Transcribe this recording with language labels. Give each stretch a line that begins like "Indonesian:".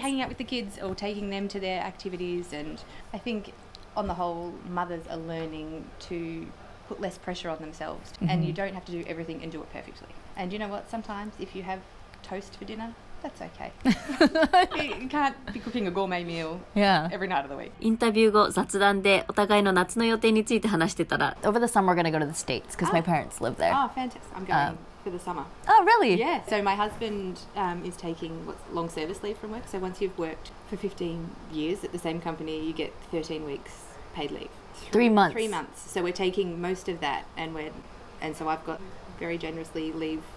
English: hanging out with the kids, or taking them to their activities. And I think on the whole, mothers are learning to put less pressure on themselves,、 mm-hmm. and you don't have to do everything and do it perfectly. And you know what? Sometimes if you haveToast for dinner, that's okay. You can't be cooking a gourmet meal、 yeah. every night of the week.
Japanese: インタビュー後、雑談でお互いの夏の予定について話してたら
English: Over the summer, we're going to go to the States because、 oh. my parents live there. Oh, fantastic. I'm going、for the summer. Oh, really? Yeah. So my husband、is taking long service leave from work. So once you've worked for 15 years at the same company, you get 13 weeks paid leave. Three months. So we're taking most of that. And so I've got very generously leave